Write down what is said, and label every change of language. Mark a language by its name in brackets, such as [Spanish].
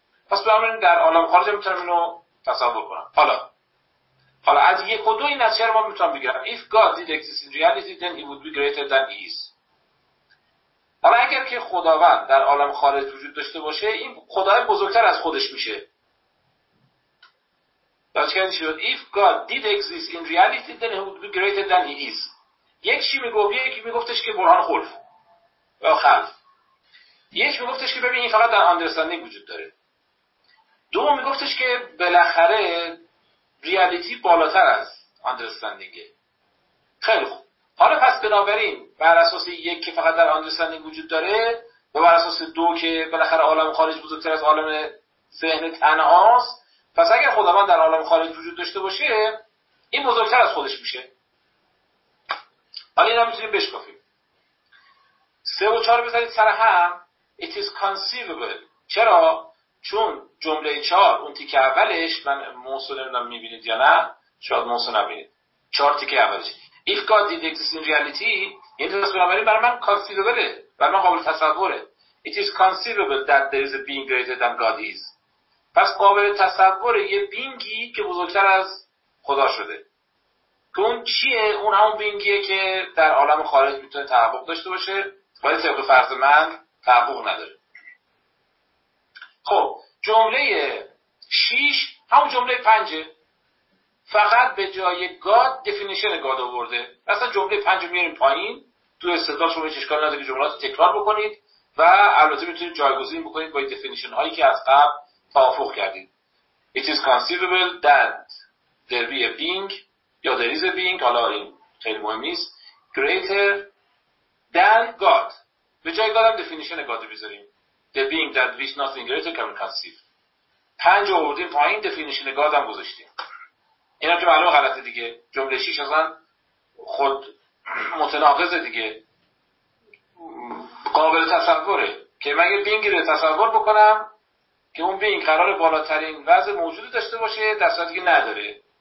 [Persian] پس برام در عالم خارج میتونم اینو تصور کنم. حالا از یک و دو این از چرا ما میتونم بگم [English] if God did exist in reality then he would be greater than he is. [Persian] حالا اگر که خداوند در عالم خارج وجود داشته باشه، این خدای بزرگتر از خودش میشه. داشتن شد. [English] If God did exist in reality, then he would be greater than he is. [Persian] یک چی میگفت، یکی میگفتش که برهان خلف و خلف. یک میگفتش که ببین این فقط در understanding وجود داره. دوم میگفتش که بالاخره reality بالاتر از understanding. خیلی خوب. حالا پس بنابراین بر اساس یک که فقط در understanding وجود داره و بر اساس دو که بالاخره عالم خارج بزرگتر از عالم ذهن تنهاست، پس اگر خداوند در عالم خارج وجود داشته باشه این بزرگتر از خودش میشه. حالا این هم میتونیم بشکافیم. سه و چهار بذارید سر هم. [English] It is conceivable. [Persian] چرا؟ چون جمله چهار اون تیکه اولش، من موسو نمیدونم میبینید یا نه، شاید موسو نبینید، چهار تیکه اولش [English] If God did exist in reality، [Persian] یعنی درست بنابراین برای من conceivable، برای من قابل تصوره. [English] It is conceivable that there is a being greater than God is. [Persian] پس قابل تصوره یه بینگی که بزرگتر از خدا شده. که اون چیه؟ اون همون بینگیه که در عالم خارج میتونه تحقق داشته باشه، ولی طبق فرض من تحقق نداره. خب جمله 6 همون جمله 5، فقط به جای گاد دفینیشن گاد آورده. اصلا جمله 5 میاریم پایین. تو استدلال شما هیچ اشکالی نداره که جملات رو تکرار بکنید و البته میتونید جایگزین بکنید با دفینیشن هایی که از قبل توافق کردید. [English] It is conceivable that there be a being، یا there is a being، [Persian] حالا این خیلی مهم نیست، [English] greater than God. [Persian] به جای گاد هم دفینیشن گاد رو بذاریم. [English] The being that which nothing greater can conceive. [Persian] 5 آوردیم پایین، دفینیشن گاد هم گذاشتیم. اینا که معلومه غلطه دیگه. جمله 6 اصلا خود متناقضه دیگه. قابل تصوره که من یه بینگی رو تصور بکنم که اون بینگ قرار بالاترین وضع موجودی داشته باشه، در صورتی که نداره.